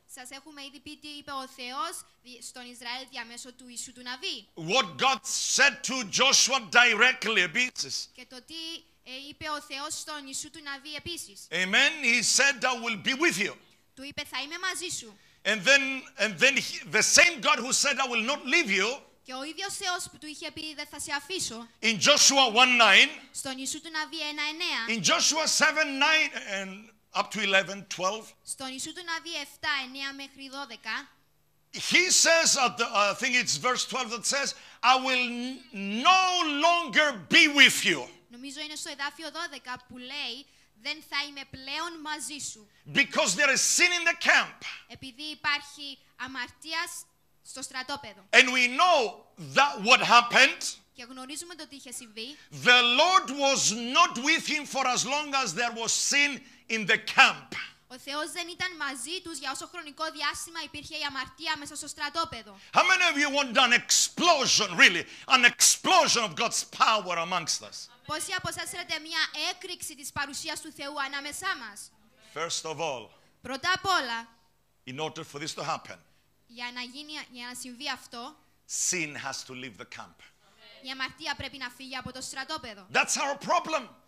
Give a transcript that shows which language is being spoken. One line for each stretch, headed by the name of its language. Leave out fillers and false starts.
Greek: Σας έχουμε ήδη πει τι είπε ο Θεός στον Ισραήλ διαμέσου του Ιησού του Ναβί.
English: What God said to Joshua directly,
Greek: επίσης. Και το τι είπε ο Θεός στον Ιησού του Ναβί, επίσης.
English: Amen. He said, "I will be with you."
Greek: Του είπε, "Θα είμαι μαζί σου."
English: And then the same God who said, "I will not leave you."
Greek: Και ο ίδιος Θεός που του είχε πει, "Δεν θα σε αφήσω."
English: In Joshua 1:9.
Greek: Στον Ιησού του Ναβί 1:9.
English: In Joshua 7:9 and up to 11:12.
Greek: Στον Ιησού του Ναβί 7:9 μέχρι 12.
English: He says, I think it's verse 12 that says, "I will no longer be with you."
Greek: Νομίζω είναι στο εδάφιο 12 που λέει, δεν θα είμαι πλέον μαζί σου.
English: Because there is sin in the camp.
Greek: Επειδή υπάρχει αμαρτία στο στρατόπεδο.
English: And we know that what happened.
Greek: Και γνωρίζουμε το τι είχε συμβεί.
English: The Lord was not with him for as long as there was sin in the camp.
Greek: Ο Θεός δεν ήταν μαζί τους για όσο χρονικό διάστημα υπήρχε η αμαρτία μέσα στο στρατόπεδο.
English: How many of you want an explosion, really, an explosion of God's power amongst us?
Greek: Πόσοι από εσάς θέλετε μια έκρηξη της παρουσίας του Θεού ανάμεσά μας?
English: First of all,
Greek: πρώτα απ' όλα,
English: in order for this to happen,
Greek: για να συμβεί αυτό,
English: sin has to leave the camp.
Greek: Η αμαρτία πρέπει να φύγει από το στρατόπεδο.
English: That's our problem.